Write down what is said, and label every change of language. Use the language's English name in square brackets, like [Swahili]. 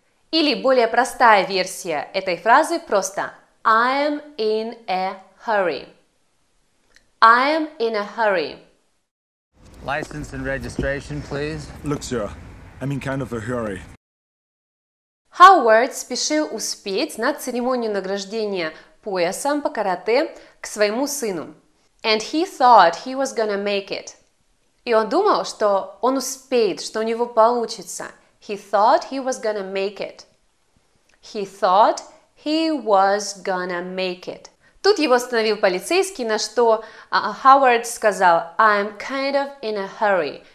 [Russian] Или более простая версия этой фразы просто [English] I am in a hurry. I am in a hurry. License and registration, please. Look, sir, I'm in kind of a hurry. [Russian] Howard спешил успеть на церемонию награждения поясом по карате к своему сыну. [English] And he thought he was gonna make it. [Russian] И он думал, что он успеет, что у него получится. [English] He thought he was gonna make it. He thought he was gonna make it. [Russian] Тут его остановил полицейский, на что Howard сказал, [English] I'm kind of in a hurry.